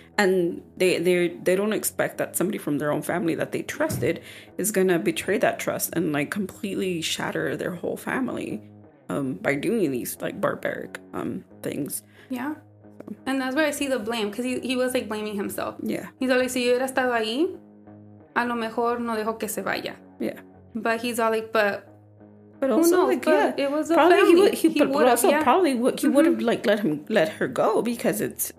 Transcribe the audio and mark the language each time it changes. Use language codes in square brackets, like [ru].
[en] And they don't expect that somebody from their own family that they trusted is going to betray that trust and, like, completely shatter their whole family by doing these, like, barbaric things. Yeah. And that's where I see the blame, because he was, like, blaming himself. Yeah. He's all like, [es] si yo hubiera estado ahí, a lo mejor no dejo que se vaya. [en] Yeah. But he's all like, but... But also, knows, like, but yeah. It was a probably family. He would have, like, let her go, because it's...